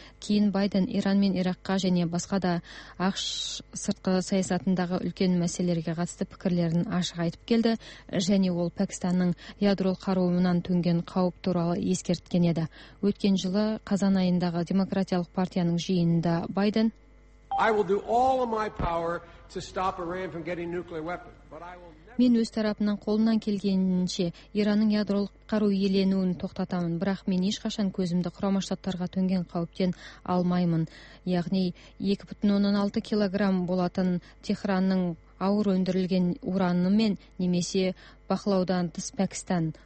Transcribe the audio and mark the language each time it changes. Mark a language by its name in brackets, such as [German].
[Kazakh] Кейін Байден Иран мен Ираққа және басқа да АҚШ сыртқы саясатындағы үлкен мәселелерге қатысты пікірлерін ашық айтып келді және ол Пәкістанның ядролық қаруынан төнген қауіп туралы ескерткен еді. Өткен жылы қазан айындағы демократиялық партияның жиынында Байден [English] I will do all of my power to stop Iran from getting nuclear weapon, but I will [Kazakh] Мен өз тарапымнан қолымнан келгенінше Иранның ядролық қару иеленуін тоқтатамын, бірақ мен ешқашан көзімді Құрама Штаттарға төнген қауіптен алмаймын. Яғни 2,6 килограмм болатын Техранның ауыр өндірілген ураны мен немесе бақылаудан тыс Пәкістан.